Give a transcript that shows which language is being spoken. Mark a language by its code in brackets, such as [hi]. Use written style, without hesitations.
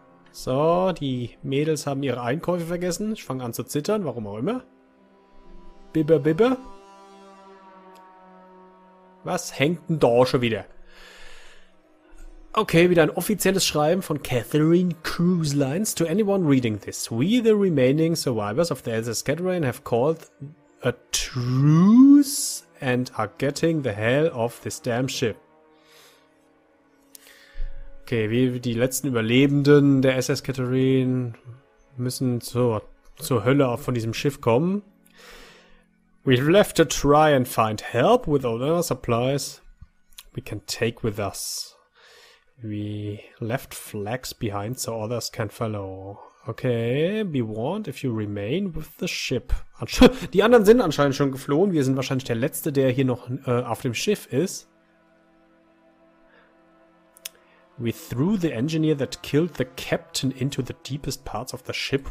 [de] So, die Mädels haben ihre Einkäufe vergessen. Ich fange an zu zittern, warum auch immer. Bibber, bibber. Was hängt denn da schon wieder? Okay, wieder ein offizielles Schreiben von Catherine Cruise Lines. [en] To anyone reading this, we, the remaining survivors of the SS Catherine, have called a truce and are getting the hell off this damn ship. [de] Okay, wir, die letzten Überlebenden der SS Catherine, müssen zur Hölle von diesem Schiff kommen. [en] We've left to try and find help with all our supplies we can take with us. We left flags behind so others can follow. Okay, be warned if you remain with the ship. [de] Die anderen sind anscheinend schon geflohen. Wir sind wahrscheinlich der Letzte, der hier noch auf dem Schiff ist. [en] We threw the engineer that killed the captain into the deepest parts of the ship.